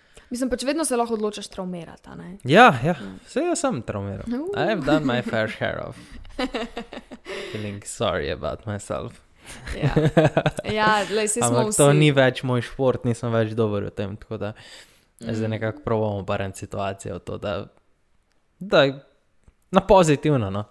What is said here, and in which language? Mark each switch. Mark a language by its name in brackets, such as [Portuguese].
[Slovenian] Mislim, pač vedno se lahko odločaš travmerati, a ne? Ja, ja, vse jaz sem travmeral. [English] I have done my fair share of feeling sorry about myself. [Slovenian] Ja, ja, lej, si ampak smo to vsi. Ni več moj šport, nisem več dober v tem, tako da zdaj nekako probam obrniti situacijo to, da, da na pozitivno, no.